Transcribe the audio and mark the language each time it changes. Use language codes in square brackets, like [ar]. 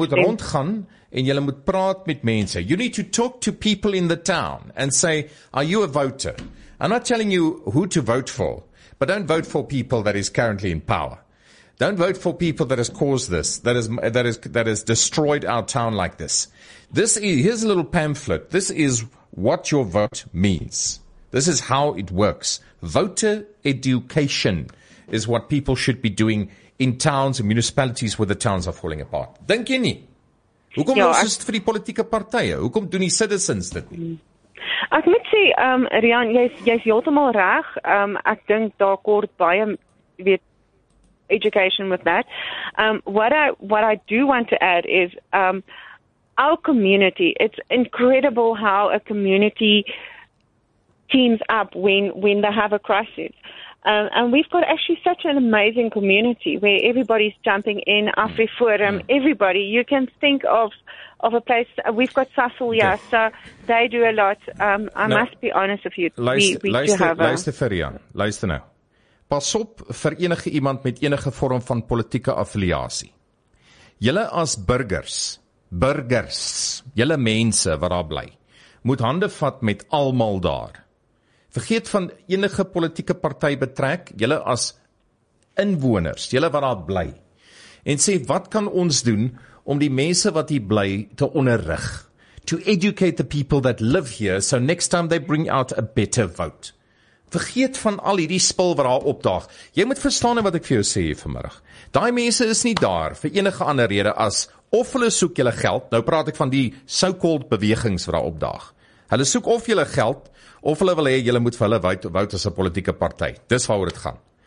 [af] moet rondgaan en julle moet praat met mense. [en] You need to talk to people in the town and say, are you a voter? I'm not telling you who to vote for, but don't vote for people that is currently in power. Don't vote for people that has caused this, that has destroyed our town like this. Here's a little pamphlet. This is what your vote means. This is how it works. Voter education is what people should be doing in towns and municipalities where the towns are falling apart. [af] Dink jy nie? Hoekom los is dit vir die politieke partye? Hoekom doen die citizens dit nie? Ek moet sê, Rian, jy is heeltemal reg. Ek dink daar kort baie weet [en] education with that. What I do want to add is our community. It's incredible how a community teams up when they have a crisis. And we've got actually such an amazing community where everybody's jumping in, AfriForum, everybody. You can think of a place. We've got Sassel, so they do a lot. Must be honest with you. [af] Luister nou. Pas op vir enige iemand met enige vorm van politieke affiliasie. Julle as burgers, julle mense wat daar bly, moet hande vat met almal daar. Vergeet van enige politieke party betrek, julle as inwoners, julle wat daar bly, en sê, wat kan ons doen om die mense wat hier bly te onderrig? [en] To educate the people that live here, so next time they bring out a better vote. [af] Vergeet van al hierdie spul wat daar opdaag. Jy moet verstaan wat ek vir jou sê hier vanmiddag. Daai mense is nie daar vir enige ander rede as of hulle soek julle geld, nou praat ek van die so-called bewegings wat daar opdaag. Hulle soek of julle geld, of hulle wil hê julle moet vir hulle vote as 'n politieke party. Dis waaroor dit gaan.